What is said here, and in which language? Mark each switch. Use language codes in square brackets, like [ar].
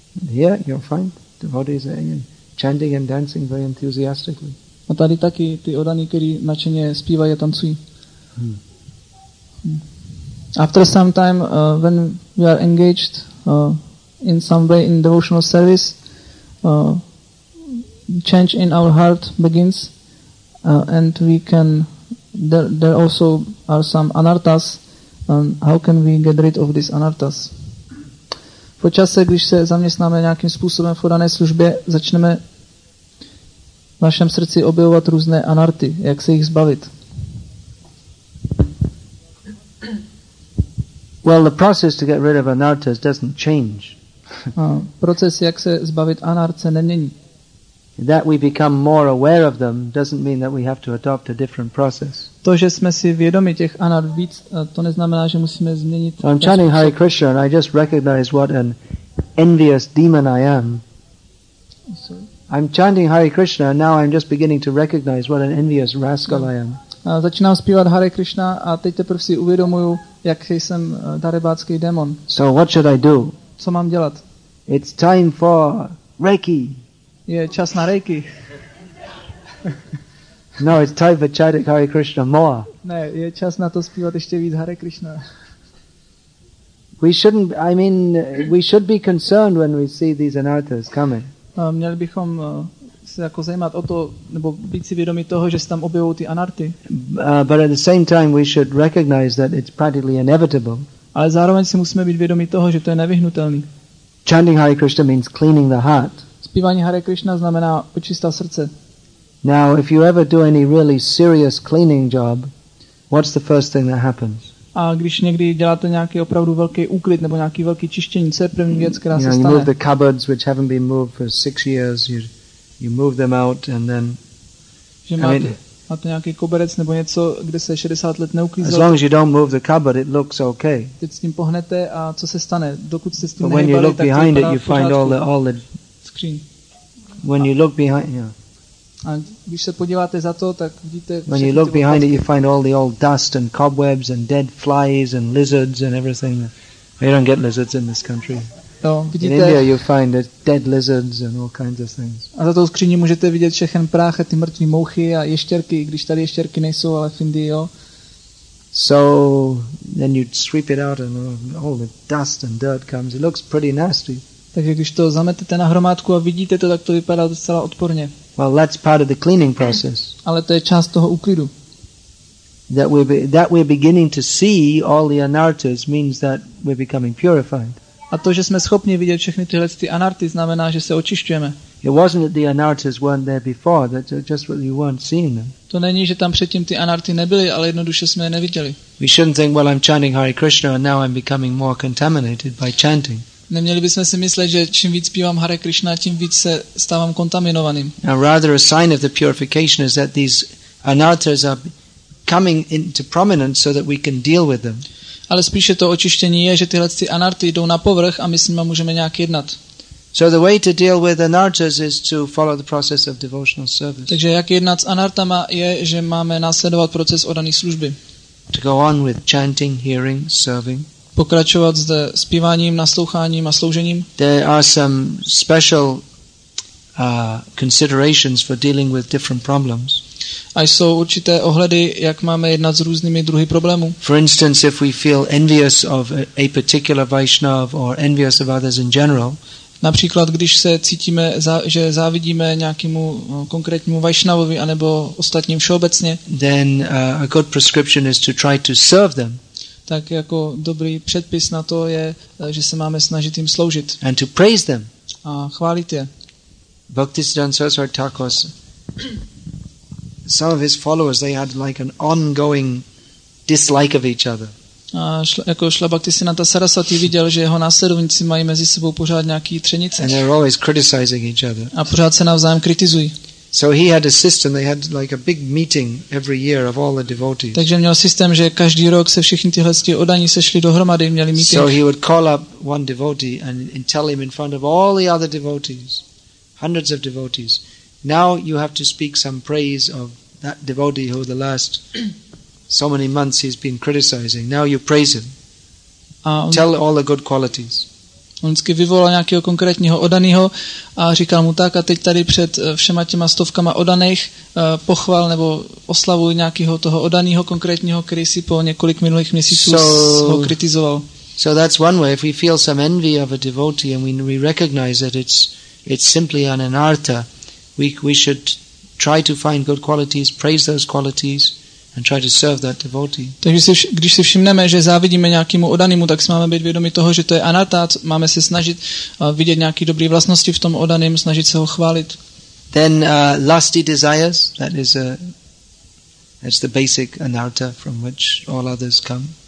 [en] Here you'll find devotees are chanting and dancing very enthusiastically. [cs] A tady taky ty oddaní, kteří nadšeně zpívají a tancují. [en] After some time, when we are engaged in some way in devotional service, change in our heart begins, and we can, there also are some anartas. How can we get rid of these anartas? [cs] Po čase, když se zaměstnáme nějakým způsobem v oddané službě, začneme v našem srdci objevovat různé anarty, jak se jich zbavit. [en] Well, the process to get rid of anartas doesn't change. [cs] Proces, jak se zbavit anartce, nemění. [en] That we become more aware of them doesn't mean that we have to adopt a different process. [cs] To, že jsme si vědomi těch anart víc, to neznamená, že musíme změnit. [en] I'm chanting Hare Krishna and I just recognize what an envious demon I am. I'm chanting Hare Krishna and now I'm just beginning to recognize what an envious rascal I am. [cs] Začínám zpívat Hare Krishna a teď teprve si uvědomuju, jak jsem darebácký demon. [en] So what should I do? [cs] Co mám dělat? [en] It's time for Reiki. [cs] Je čas na Reiki. [en] No, it's time for chanting Hare Krishna more. [cs] Ne, je čas na to zpívat ještě víc Hare Krishna. [en] We should be concerned when we see these anarthas coming. [cs] Měli bychom se jako zajímat o to, nebo být si vědomi toho, že se tam objevují ty anarty. [en] But at the same time we should recognize that it's practically inevitable. [cs] Ale zároveň si musíme být vědomi toho, že to je nevyhnutelný. [en] Chanting Hare Krishna means cleaning the heart. [cs] Zpívání Hare Krishna znamená očistá srdce. [en] Now if you ever do any really serious cleaning job, what's the first thing that happens? [cs] A když někdy děláte nějaký opravdu velký úklid nebo nějaký velký čištění, co je první věc, která se stane? [en] You move the cupboards which haven't been moved for 6 years, you move them out and then [cs] máte nějaký koberec nebo něco, kde se 60 let neuklízelo. [en] As long as you don't move the cupboard, it looks okay. [cs] Teď s tím pohnete a co se stane? Dokud se s tím nehybali, tak to vypadá [en] it, you find all the screen. When you look behind, yeah. [cs] A když se podíváte za to, tak vidíte. [en] When you look behind it, you find all the old dust and cobwebs and dead flies and lizards and everything. We don't get lizards in this country. [cs] No, vidíte. [en] In India, you find dead lizards and all kinds of things. [cs] A za tou skříní můžete vidět všechen prach, ty mrtvé mouchy a ještěrky, když tady ještěrky nejsou, ale v Indii, jo. [en] So then you'd sweep it out and all the dust and dirt comes. It looks pretty nasty. [cs] Takže když to zametete na hromádku a vidíte to, tak to vypadá docela odporně. [en] Well, that's part of the cleaning process. [cs] Ale to je část toho úklidu. [en] That we're beginning to see all the anartas means that we're becoming purified. [cs] A to, že jsme schopni vidět všechny tyhle ty anarty, znamená, že se očišťujeme. [en] It wasn't that the anartas weren't there before, that just that you weren't seeing them. [cs] To není, že tam předtím ty anarty nebyly, ale jednoduše jsme je neviděli. [en] We shouldn't think, well, I'm chanting Hare Krishna and now I'm becoming more contaminated by chanting. [cs] Neměli bychom si myslet, že čím víc zpívám Hare Krishna, tím víc se stávám kontaminovaným. [en] Now rather a sign of the purification is that these anartas are coming into prominence so that we can deal with them. [cs] Ale spíše to očištění je, že tyhle ty anarty jdou na povrch a my s nimi můžeme nějak jednat. [en] So the way to deal with anartas is to follow the process of devotional service. [cs] Takže jak jednat s anartama je, že máme následovat proces oddané služby. [en] To go on with chanting, hearing, serving. [cs] Pokračovat zde zpíváním, nasloucháním a sloužením. [en] There are some special considerations for dealing with different problems. [cs] A jsou určité ohledy, jak máme jednat s různými druhy problémů. [en] For instance, if we feel envious of a particular Vaishnav or envious of others in general. [cs] Například, když se cítíme, že závidíme nějakému konkrétnímu Vaishnavovi anebo ostatním všeobecně. [en] Then a good prescription is to try to serve them. [cs] Tak jako dobrý předpis na to je, že se máme snažit jim sloužit. [en] And to praise them. [cs] A chválit je. [en] Bhaktisiddhanta Saraswati Thakur, some of his followers, they had like an ongoing dislike of each other. [cs] A jako Šla Bhaktisiddhanta Saraswati viděl, že jeho následovníci mají mezi sebou pořád nějaký třenice. [en] And they're always criticizing each other. [cs] A pořád se navzájem kritizují. [en] So he had a system, they had like a big meeting every year of all the devotees. [cs] Takže měl systém, že každý rok se všichni tyhle ctí oddaní sešli dohromady, měli meeting. [en] So he would call up one devotee and tell him in front of all the other devotees, hundreds of devotees, now you have to speak some praise of that devotee who the last so many months he's been criticizing. Now you praise him. Tell all the good qualities. [cs] On vždycky vyvolal nějakého konkrétního odaného a říkal mu tak, a teď tady před všema těma stovkama odaných pochval nebo oslavuj nějakého toho odaného konkrétního, který si po několik minulých měsíců ho kritizoval. [en] So that's one way. If we feel some envy of a devotee and we recognize that it's simply an anartha, we should try to find good qualities, praise those qualities, and try to serve that devotee. [cs] Takže když si všimneme, že závidíme nějakému odanému, tak si máme být vědomi toho, že to je anarta, máme se snažit vidět nějaké dobré vlastnosti v tom odaném, snažit se ho chválit. [en] Then lusty desires, that's the basic anarta from which all others come.